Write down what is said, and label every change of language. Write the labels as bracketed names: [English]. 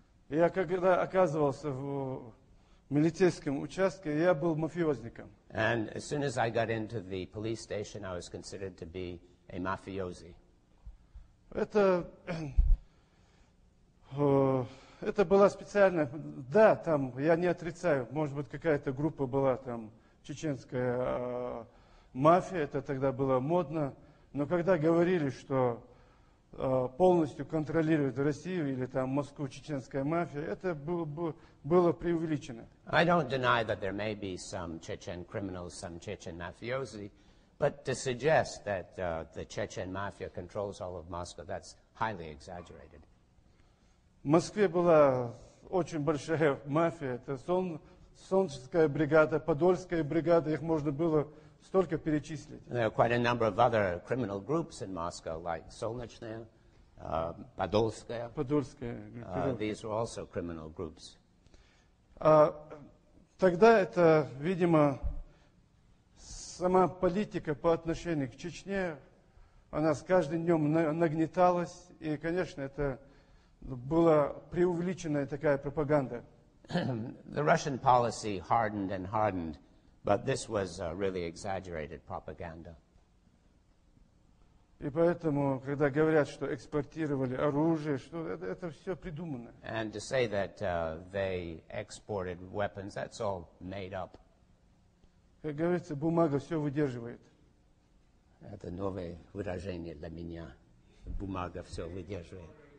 [Russian] Я когда оказывался в милицейском участке, я был мафиозником. [English] And as soon as I got into the police station, I was considered to be a mafiosi. [Russian] Это Это была специально. Да, там я не отрицаю. Может быть, какая-то группа была там чеченская мафия. Это тогда было модно. Но когда говорили, что полностью контролирует Россию или там Москву чеченская мафия, это было преувеличено. [English] I don't deny that there may be some Chechen criminals, some Chechen mafiosi, but to suggest that the Chechen mafia controls all of Moscow, that's highly exaggerated. [Russian] В Москве была очень большая мафия, это Солнечская бригада, Подольская бригада, их можно было столько перечислить. [English] There are quite a number of other criminal groups in Moscow, like Solnechnaya, Podolskaya. Podolskaya. These were also criminal groups. [Russian] Тогда это, видимо, сама политика по отношению к Чечне, она с каждым днем нагнеталась, и, конечно, это была преувеличенная такая пропаганда. [English] The Russian policy hardened and hardened. But this was really exaggerated propaganda. [Russian] И поэтому, когда говорят, что экспортировали оружие, что это все придумано. [English] And to say that they exported weapons, that's all made up. [Russian] Как говорится, бумага все выдерживает. Это новое выражение для меня. Бумага все выдерживает.